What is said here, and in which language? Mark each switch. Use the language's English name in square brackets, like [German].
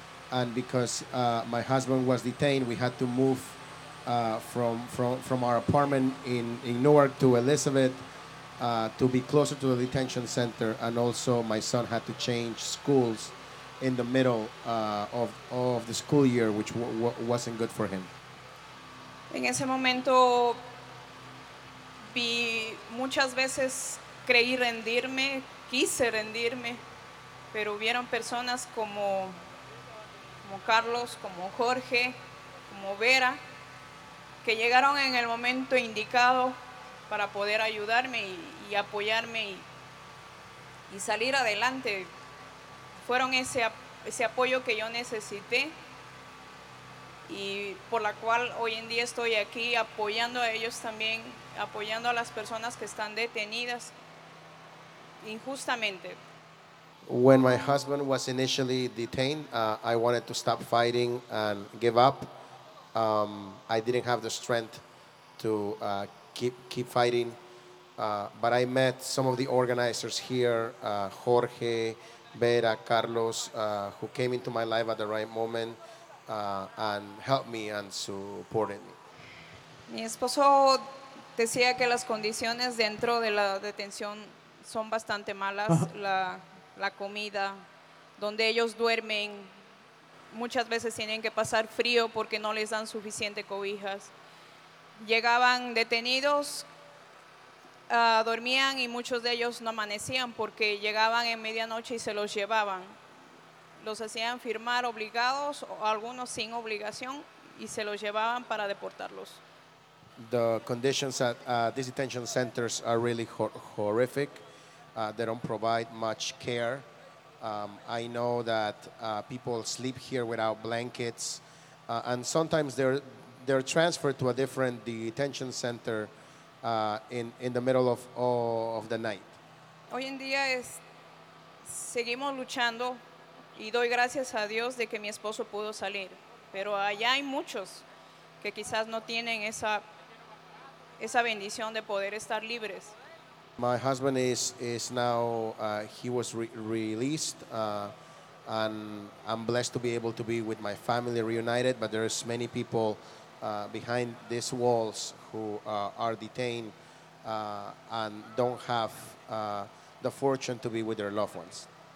[English] And because my husband was detained, we had to move from our apartment in Newark to Elizabeth to be closer to the detention center. And also my son had to change schools in the middle of the school year, which wasn't good for him. [Spanish] En ese momento vi muchas veces creí rendirme, quise rendirme, pero hubieron personas como Carlos, como Jorge, como Vera, que llegaron en el momento indicado para poder ayudarme y apoyarme y salir adelante. Fueron ese apoyo que yo necesité y por la cual hoy en día estoy aquí apoyando a ellos también, apoyando a las personas que están detenidas injustamente. [English] When my husband was initially detained, I wanted to stop fighting and give up. I didn't have the strength to keep fighting, but I met some of the organizers here, Jorge, Vera, Carlos, who came into my life at the right moment and helped me and supported me. [Spanish] Mi esposo decía que las condiciones dentro de la detención son bastante malas, la comida, donde ellos duermen, muchas veces tienen que pasar frío porque no les dan suficiente cobijas. Llegaban detenidos, dormían y muchos de ellos no amanecían porque llegaban en medianoche y se los llevaban. Los hacían firmar obligados o algunos sin obligación y se los llevaban para deportarlos. [English] The conditions at these detention centers are really horrific. They don't provide much care. I know that people sleep here without blankets. And sometimes they're transferred to a different detention center in the middle of the night. [Spanish] Hoy en día seguimos luchando y doy gracias a Dios de que mi esposo pudo salir. Pero allá hay muchos que quizás no tienen esa bendición de poder estar libres. [English] My husband is now, he was released, and I'm blessed to be able to be with my family reunited, but there's many people behind these walls who are detained and don't have the fortune to be with their loved ones.